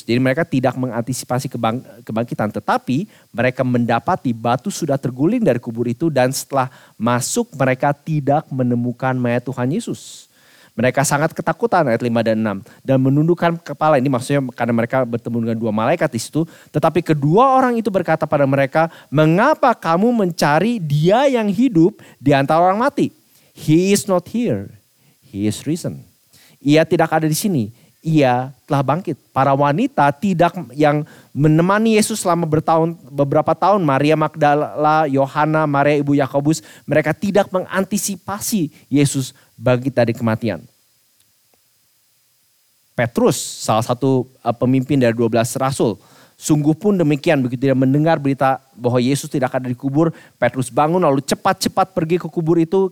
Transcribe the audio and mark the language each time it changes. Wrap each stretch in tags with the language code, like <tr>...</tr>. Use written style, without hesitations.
<id>Jadi mereka tidak mengantisipasi kebangkitan, tetapi mereka mendapati batu sudah terguling dari kubur itu dan setelah masuk mereka tidak menemukan mayat Tuhan Yesus. Mereka sangat ketakutan, ayat 5 dan 6. Dan menundukkan kepala, ini maksudnya karena mereka bertemu dengan dua malaikat di situ. Tetapi kedua orang itu berkata pada mereka, mengapa kamu mencari dia yang hidup di antara orang mati?</id> <en>He is not here, he is risen.</en> <id>Ia tidak ada di sini, ia telah bangkit. Para wanita tidak yang menemani Yesus selama beberapa tahun, Maria Magdala, Yohana, Maria ibu Yakobus, mereka tidak mengantisipasi Yesus bangkit dari kematian. Petrus, salah satu pemimpin dari 12 rasul, sungguh pun demikian, begitu dia mendengar berita bahwa Yesus tidak ada di kubur, Petrus bangun lalu cepat-cepat pergi ke kubur itu.</id>